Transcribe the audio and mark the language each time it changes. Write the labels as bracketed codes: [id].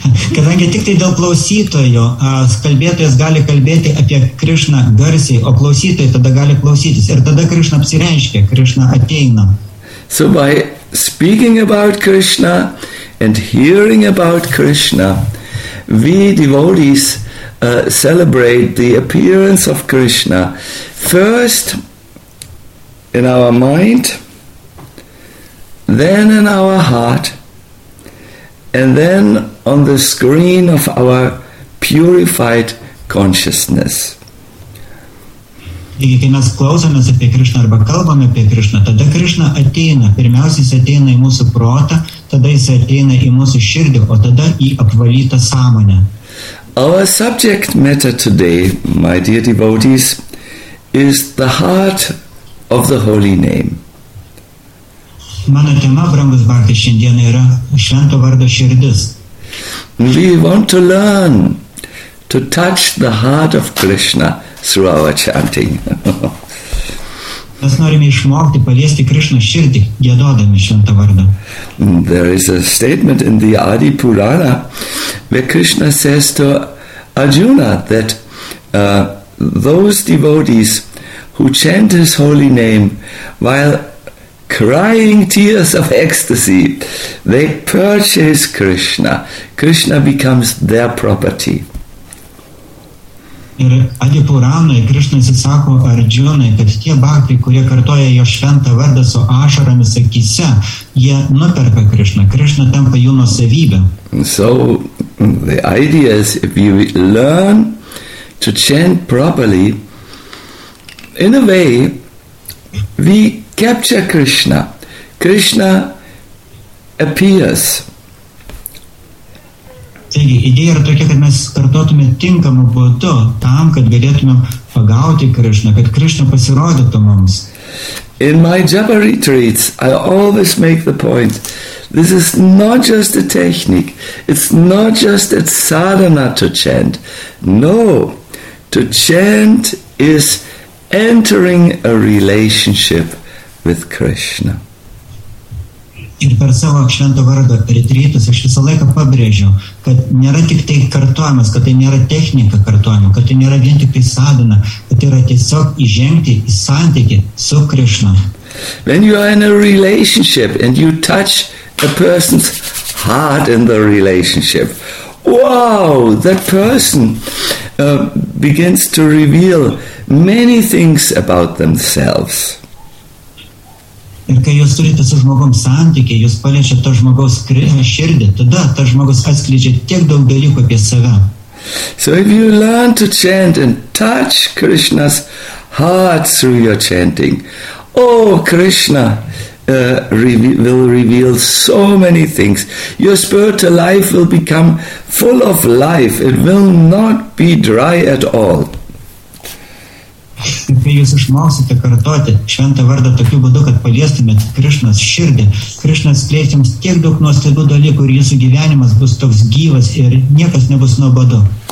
[lt] Kadangi tik tai dėl klausytojo, kalbėtojas gali kalbėti apie Krishna garsiai, o klausytojai tada gali klausytis. Ir tada Krishna apsireiškia, Krishna ateina. [en] So by speaking about Krishna and hearing about Krishna, we devotees celebrate the appearance of Krishna first in our mind, then in our heart, and then on the screen of our purified consciousness. [lt] Taigi, kai mes klausomės apie Krishna arba kalbame apie Krishna, tada Krishna ateina, pirmiausia jis ateina į mūsų protą, tada jis ateina į mūsų širdį, o tada į apvalytą sąmonę. [en] Our subject matter today, my dear devotees, is the heart of the Holy Name. [lt] Mano tema, brangus Bhakti, šiandien yra švento vardo širdis. [en] We want to learn to touch the heart of Krishna through our chanting. [lt] Mes norime išmokti paliesti Krishna širdį, giedodami šventą vardą. [en] There is a statement in the Adi Purana where Krishna says to Arjuna that those devotees who chant his holy name while crying tears of ecstasy, they purchase Krishna. Krishna becomes their property. [lt] Ir Adi Puranoje Krishna įsisako Arjunai, kad tie bhaktai, kurie kartoja jo šventą vardą su ašaromis akise, jie nuperka Krishna. Krishna tampa jų nuosavybė. [en] So the idea is, if you learn to chant properly, in a way, we capture Krishna. Krishna appears. [lt] Taigi, idėja yra tokia, kad mes kartotume tinkamą būdu tam, kad galėtumėm pagauti Krishna, kad Krishna pasirodytų mums. [en] In my japa retreats, I always make the point, this is not just a technique, it's not just a sadhana to chant. No, To chant is entering a relationship with Krishna. [lt] Ir per savo švento vardo retrytus aš visą laiką pabrėžiu, kad nėra tik tai kartuojamas, kad tai nėra technika kartuojama, kad tai nėra vien tik tai sadana, kad tai yra tiesiog įžengti į santykį su Krishna. [en] When you are in a relationship and you touch a person's heart in the relationship, wow, that person begins to reveal many things about themselves. [lt] Ir kai jūs turite su žmogom santykį, jūs paliečiate to žmogaus širdį, tada tas žmogus atskleidžia tiek daug dalykų apie save. [en] So if you learn to chant and touch Krishna's heart through your chanting, oh, Krishna will reveal so many things. Your spiritual life will become full of life. It will not be dry at all. [lt] Ir kai jūs išmoksite kartoti šventą vardą tokiu būdu, kad paliestumėt Krišnas širdį, Krišnas plėsti jums tiek daug nuostabių dalykų ir jūsų gyvenimas bus toks gyvas ir niekas nebus nuobodu.